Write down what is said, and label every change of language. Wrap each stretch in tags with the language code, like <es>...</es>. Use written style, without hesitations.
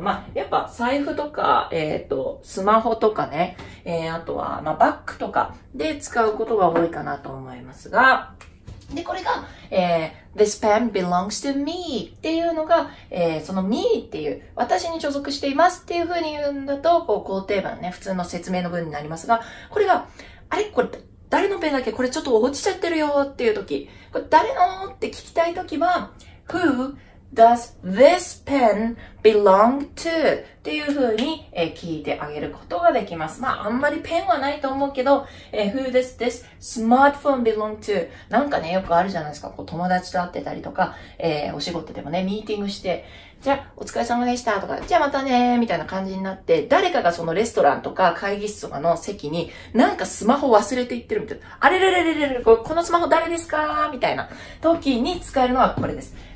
<ja>まあ、やっぱ財布とか、スマホとかね、あとは、まあ、バッグとかで使うことが多いかなと思いますが、で、これが、</ja> <en>This pen belongs to me</en> <ja>っていうのが、その me っていう、私に所属していますっていう風に言うんだと、こう、肯定文ね、普通の説明の文になりますが、これが、あれ? これ、誰のペンだっけ?これちょっと落ちちゃってるよっていう時、これ誰の? って聞きたい時は、</ja> <en>Who does this pen belong to?</en> <ja>っていう風に、聞いてあげることができます。まあ、あんまりペンはないと思うけど、</ja> <en>Who does this smartphone belong to?</en> <ja>なんかね、よくあるじゃないですか。こう友達と会ってたりとか、お仕事でもね、ミーティングして、じゃあ、お疲れ様でしたとか、じゃあまたねみたいな感じになって、誰かがそのレストランとか会議室とかの席に、なんかスマホ忘れていってるみたいな、あれれれれれれれ、このスマホ誰ですかみたいな時に使えるのはこれです。</ja>